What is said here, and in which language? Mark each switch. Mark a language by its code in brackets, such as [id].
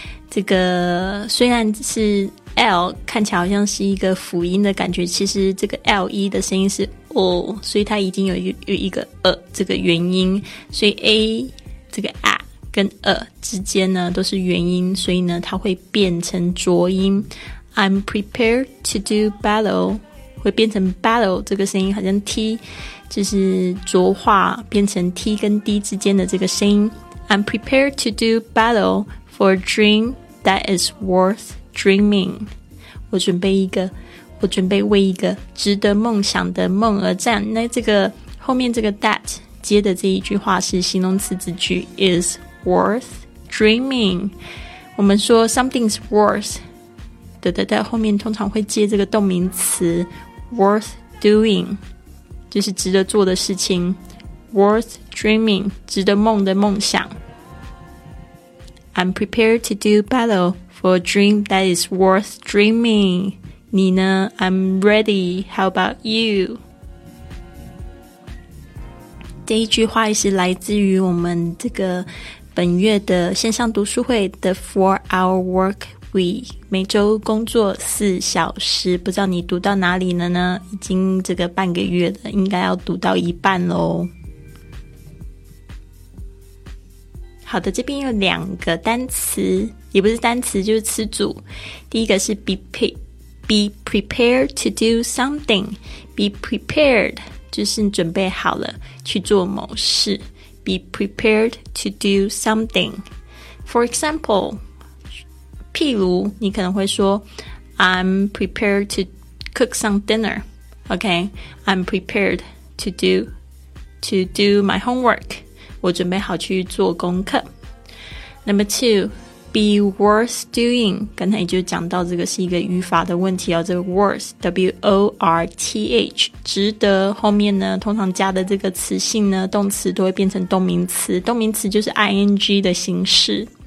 [zh] 这个虽然是 L 看起来好像是一个辅音的感觉，其实这个 L-E 的声音是哦，所以它已经有一个这个元音，所以 A 这个 A 跟之间呢都是元音，所以呢它会变成浊音。 [en] I'm prepared to do battle [zh] 会变成 battle， 这个声音好像 T 就是浊化变成 T 跟 D 之间的这个声音。 [en] I'm prepared to do battle for a dream that is worth dreaming， [zh] 我准备为一个值得梦想的梦而战。那这个后面这个 that 接的这一句话是形容词子句 [en] is worth dreaming， [zh] 我们说 [en] something's worth [zh] 后面通常会接这个动名词 [en] worth doing， [zh] 就是值得做的事情。 [en] worth dreaming [zh] 值得梦的梦想。 [en] I'm prepared to do battle for a dream that is worth dreaming。 [zh] 你呢？ [en] I'm ready. How about you? [zh] 这一句话是来自于我们这个本月的线上读书会 [en] The 4-Hour Work Week， [zh] 每周工作四小时。不知道你读到哪里了呢？已经这个半个月了，应该要读到一半咯。好的，这边有两个单词，也不是单词，就是词组。第一个是 [en] be prepared to do something， be prepared [zh] 就是准备好了去做某事， be prepared to do something。 [en] For example， [zh] 譬如你可能会说 [en] I'm prepared to cook some dinner， OK， I'm prepared to do my homework， [zh] 我准备好去做功课。 [en] Number two，be worth doing， [zh] 刚才就讲到这个是一个语法的问题哦。这个 worth W-O-R-T-H 值得后面呢通常加的这个词性呢动词都会变成动名词，动名词就是 ing 的形式。